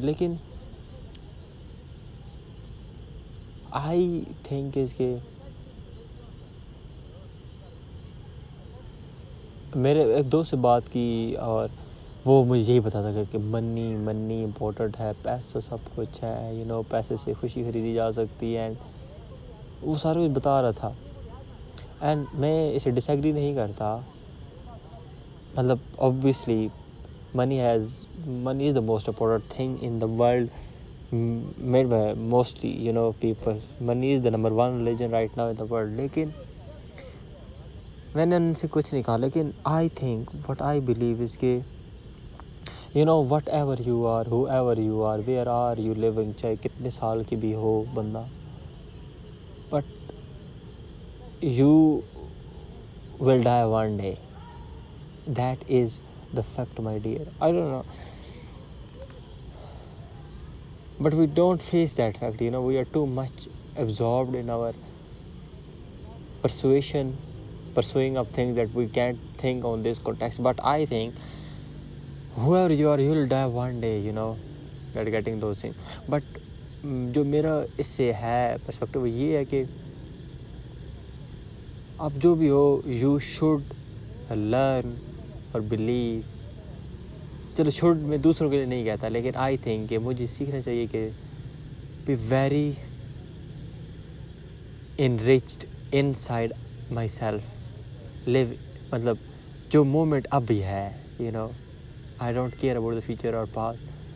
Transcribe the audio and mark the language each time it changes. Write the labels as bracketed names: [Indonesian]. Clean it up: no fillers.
[Urdu] لیکن [English] I think is [Urdu] کہ میرے ایک دوست سے بات کی اور وہ مجھے یہی بتاتا تھا کہ [English] money important [Urdu] ہے, پیسہ سب کچھ ہے, یو نو پیسے سے خوشی خریدی جا سکتی ہے, اینڈ وہ سارا کچھ بتا رہا تھا. [English] and [Urdu] میں اسے [English] disagree [Urdu] نہیں کرتا, مطلب [English] Obviously money is the most important thing in the world made by mostly you know people. Money is the number one religion right now in the world. [Urdu] لیکن میں نے ان سے کچھ نہیں کہا, [English] لیکن I think what I believe is کہ you know whatever you are whoever you are where are you living, [Urdu] چاہے کتنے سال کی بھی ہو بندہ, [English] But you will die one day, that is the fact my dear. I don't know but we don't face that fact, you know we are too much absorbed in our persuasion pursuing of thing that we can't think on this context. But I think whoever you are, you'll die one day, you know, you're getting those things. [Urdu] But جو میرا اس سے ہے perspective یہ ہے کہ آپ جو بھی ہو [English] you should learn اور believe, [Urdu] چلو شوڈ میں دوسروں کے لیے نہیں کہتا, لیکن آئی تھنک کہ مجھے سیکھنا چاہیے کہ [English] be very enriched inside myself live, [Urdu] مطلب جو مومنٹ اب بھی ہے, you know [English] I don't care about the future or past.